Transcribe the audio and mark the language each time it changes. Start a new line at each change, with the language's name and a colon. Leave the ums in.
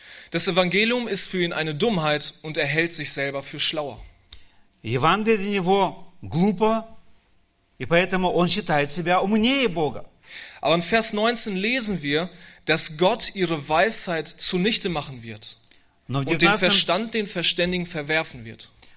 German: Das Evangelium ist für ihn eine Dummheit und er hält sich selber für schlauer.
Russian: Евангелие для него глупо, и поэтому он считает себя умнее Бога.
German: Aber in Vers 19 lesen wir, dass Gott ihre Weisheit zunichte machen wird und den Verstand den Verständigen verwerfen wird.